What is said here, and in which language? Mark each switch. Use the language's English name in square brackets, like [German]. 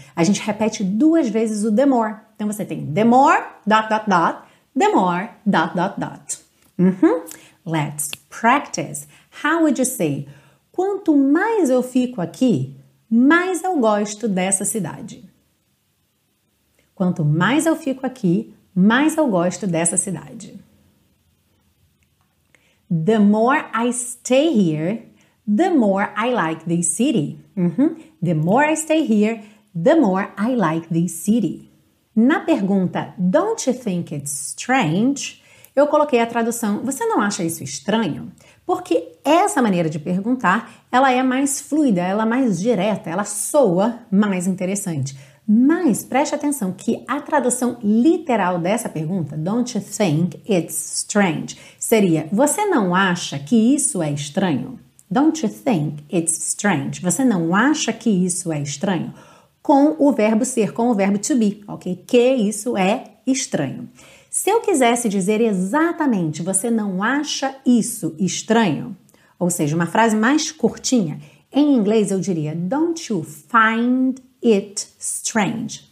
[Portuguese] A gente repete duas vezes o the more. Então, você tem the more, dot, dot, dot, the more, dot, dot, dot. Uhum. Let's practice. How would you say, quanto mais eu fico aqui, mais eu gosto dessa cidade? Quanto mais eu fico aqui, mais eu gosto dessa cidade. [English] The more I stay here, the more I like this city. Uhum. The more I stay here, the more I like this city. Na pergunta, don't you think it's strange? [Portuguese] Eu coloquei a tradução, você não acha isso estranho? Porque essa maneira de perguntar, ela é mais fluida, ela é mais direta, ela soa mais interessante. Mas preste atenção que a tradução literal dessa pergunta, don't you think it's strange, seria, você não acha que isso é estranho? [English] Don't you think it's strange? [Portuguese] Você não acha que isso é estranho? Com o verbo ser, com o verbo to be, ok? Que isso é estranho. Se eu quisesse dizer exatamente, você não acha isso estranho? Ou seja, uma frase mais curtinha, em inglês eu diria, don't you find it strange.